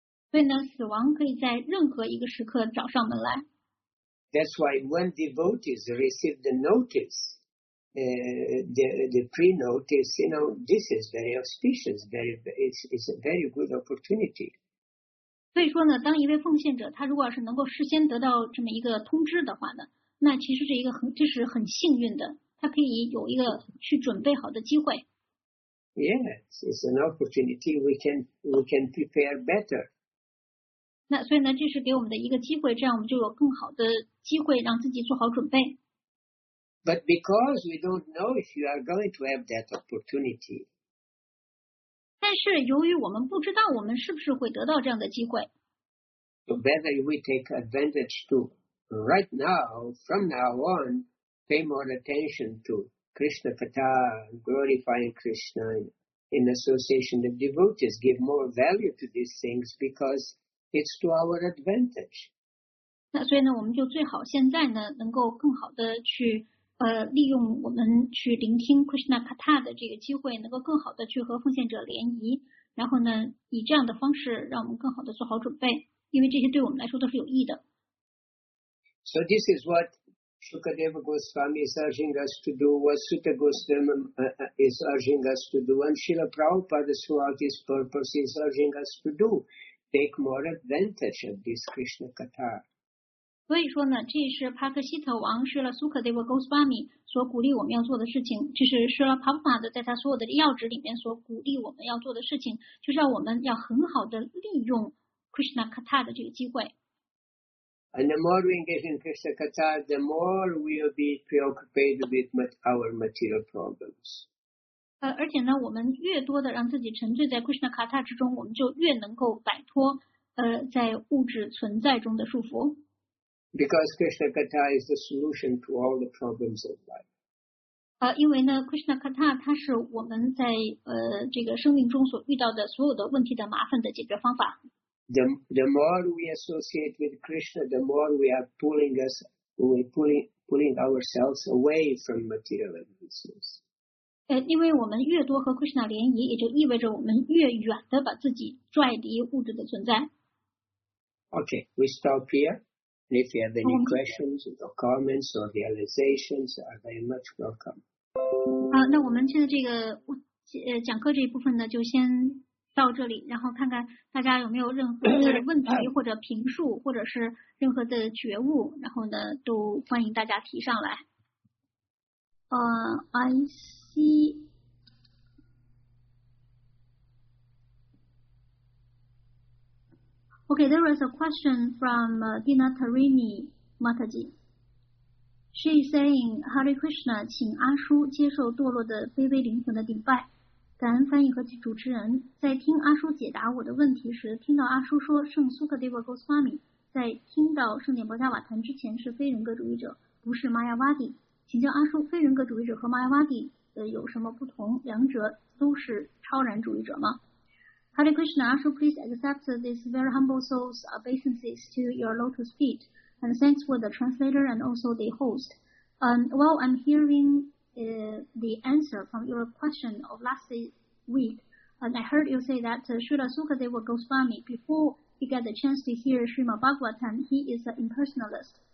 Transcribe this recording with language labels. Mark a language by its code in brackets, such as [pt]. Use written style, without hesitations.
[zh] 所以呢，死亡可以在任何一个时刻找上门来。 [en] That's why when devotees receive the notice, the pre-notice, you know, this is very auspicious, it's a very good opportunity. [zh] 所以说呢，当一位奉献者他如果是能够事先得到这么一个通知的话呢，那其实是一个很，这是很幸运的，他可以有一个去准备好的机会。 [en] Yes, it's an opportunity we can prepare better. [zh] 那所以呢，这是给我们的一个机会，这样我们就有更好的机会让自己做好准备。 [en] But because we don't know if you are going to have that opportunity. [zh] 但是由于我们不知道我们是不是会得到这样的机会。 [en] So better we take advantage to right now, from now on, pay more attention to Krishna Katha, glorifying Krishna in association with devotees, give more value to these things because. It's to our advantage. [zh] 那所以呢，我们就最好现在呢，能够更好的去利用我们去聆听 Krishna Katha 的这个机会，能够更好的去和奉献者联谊，然后呢，以这样的方式让我们更好的做好准备，因为这些对我们来说都是有益的。 [en] So this is what Shukadeva Goswami is urging us to do, what Sutta Goswami is urging us to do, and Srila Prabhupada throughout his purpose is urging us to do. Take more advantage of this Krishna Katha. [zh] 所以说呢，这是帕克希特王施拉苏克德沃戈斯巴米所鼓励我们要做的事情，这是施拉帕布帕德在他所有的要旨里面所鼓励我们要做的事情，就是让我们要很好的利用 Krishna Katha 的这个机会。 [en] And the more we engage in Krishna Katha, the more we will be preoccupied with our material problems. [zh] 而且呢，我们越多的让自己沉醉在 Krishna Katha 之中，我们就越能够摆脱在物质存在中的束缚。 [en] Because Krishna Katha is the solution to all the problems of life. [zh] 因为呢 ，Krishna Katha 它是我们在这个生命中所遇到的所有的问题的麻烦的解决方法。 [en] The more we associate with Krishna, the more we are pulling ourselves away from material existence. [zh] 因为我们越多和 Krishna 联谊，也就意味着我们越远的把自己拽离物质的存在。 [en] Okay, we stop here. And if you have any questions or comments or realizations, are very much welcome. [zh] 好，那我们现在这个讲课这一部分呢，就先到这里，然后看看大家有没有任何的问题或者评述，或者是任何的觉悟，然后呢，都欢迎大家提上来。 [en] I see okay, there was a question from Dina Tarini Mataji. She is saying, [zh] Hare Krishna, 请阿叔接受堕落的卑微灵魂的顶拜。感恩翻译和主持人，在听阿叔解答我的问题时，听到阿叔说圣苏克迪瓦戈斯瓦米在听到圣典博加瓦坛之前是非人格主义者，不是玛雅瓦蒂。请教阿叔，非人格主义者和玛雅瓦蒂有什么不同？两者都是超然主义者吗 [en] ？Hare Krishna, Ashu, please accept this very humble soul's obeisances to your lotus feet, and thanks for the translator and also the host. While I'm hearing the answer from your question of last week, and I heard you say that Srila Sukadeva Goswami, before he got the chance to hear Srimad Bhagavatam, he is an impersonalist.